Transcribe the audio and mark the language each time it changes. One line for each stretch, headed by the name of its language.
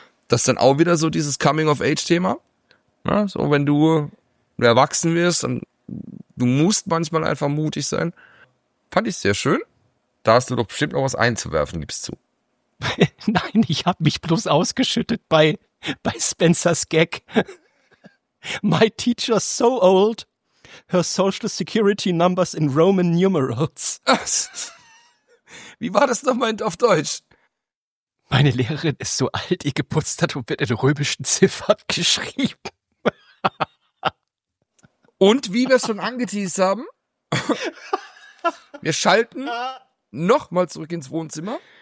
German: Das ist dann auch wieder so dieses Coming-of-Age-Thema. Ja, so, wenn du erwachsen wirst, dann du musst manchmal einfach mutig sein. Fand ich sehr schön. Da hast du doch bestimmt noch was einzuwerfen, gib's zu. Nein, ich habe mich bloß ausgeschüttet bei Spencers Gag.
English: My teacher's so old, her social security number's in Roman numerals.
German: Wie war das nochmal auf Deutsch? Meine Lehrerin ist so alt, ihr Geburtsdatum und wird in römischen Ziffern geschrieben. Und wie wir es schon angeteased haben, wir schalten nochmal zurück ins Wohnzimmer.